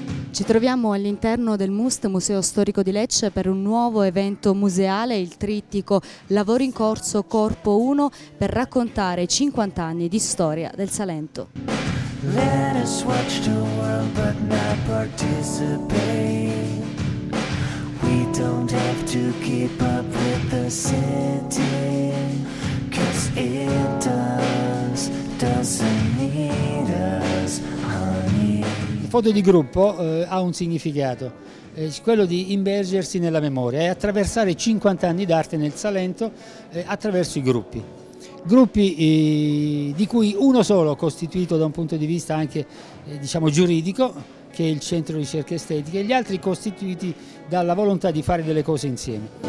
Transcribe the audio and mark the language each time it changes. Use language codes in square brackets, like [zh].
[it] Ci troviamo all'interno del MUST, Museo Storico di Lecce, per un nuovo evento museale, il trittico Lavori in Corso Corpo 1, per raccontare 50 anni di storia del Salento. [en] Let us watch the world but not participate. We don't have to keep up with the city, cause it does, doesn't need us, honey. [it] Foto di gruppo ha un significato, quello di immergersi nella memoria e attraversare 50 anni d'arte nel Salento attraverso i gruppi. Gruppi di cui uno solo, costituito da un punto di vista anche diciamo giuridico, che è il Centro Ricerche Estetiche, e gli altri costituiti dalla volontà di fare delle cose insieme.